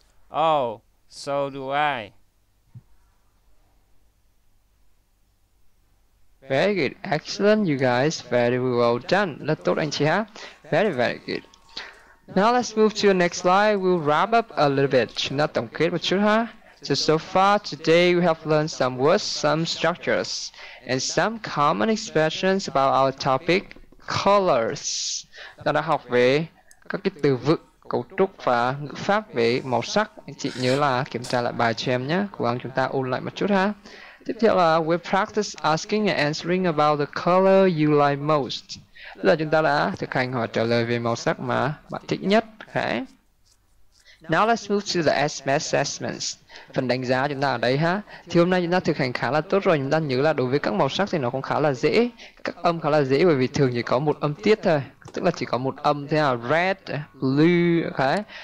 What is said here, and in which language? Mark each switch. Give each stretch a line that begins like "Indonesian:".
English: Oh, so do I. Very good. Excellent, you guys. Very well done.
Vietnamese: Rất tốt anh chị ha.
English: Very, very good. Now let's move to the next slide. We'll wrap up a little bit.
Vietnamese: Chúng ta tổng kết một chút ha.
English: So far today we have learned some words, some structures, and some common expressions about our topic, colors.
Vietnamese: Ta đã học về các cái từ vựng, cấu trúc và ngữ pháp về màu sắc. Anh chị nhớ là kiểm tra lại bài cho em nhé. Cố gắng chúng ta ôn lại một chút ha. Tiếp theo là
English: we practice asking and answering about the color you like most.
Vietnamese: Là chúng ta đã thực hành hỏi trả lời về màu sắc mà bạn thích nhất. Okay.
English: Now let's move to the assessments.
Vietnamese: Phần đánh giá chúng ta ở đây ha. Thì hôm nay chúng ta thực hành khá là tốt rồi. Chúng ta nhớ là đối với các màu sắc thì nó cũng khá là dễ. Các âm khá là dễ bởi vì thường chỉ có một âm tiết thôi. Tức là chỉ có một âm thế nào, red, blue, okay.